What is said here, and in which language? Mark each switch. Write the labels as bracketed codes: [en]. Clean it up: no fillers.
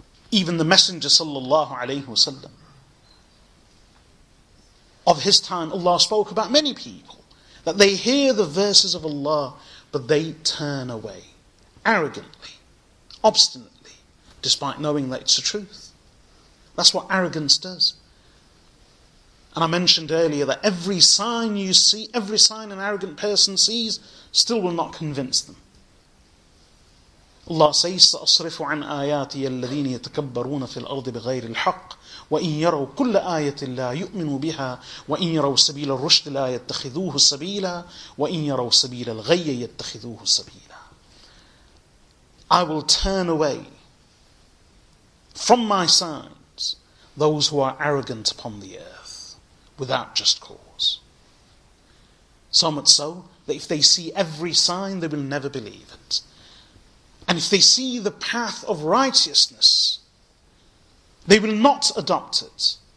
[en] Even the Messenger sallallahu alayhi wa sallam, of his time, Allah spoke about many people, that they hear the verses of Allah, but they turn away, arrogantly, obstinately, despite knowing that it's the truth. That's what arrogance does. And I mentioned earlier that every sign you see, every sign an arrogant person sees, still will not convince them. [ar] الله سيستأصرف عن آياتي الذين يتكبرون في الأرض بغير الحق وإن يروا كل آية لا يؤمنوا بها وإن يروا سبيل الرشد لا يتخذوه سبيلا وإن يروا سبيل الغي يتخذوه سبيلا. [en] I will turn away from my signs those who are arrogant upon the earth without just cause. So much so that if they see every sign, they will never believe it. And if they see the path of righteousness, they will not adopt it.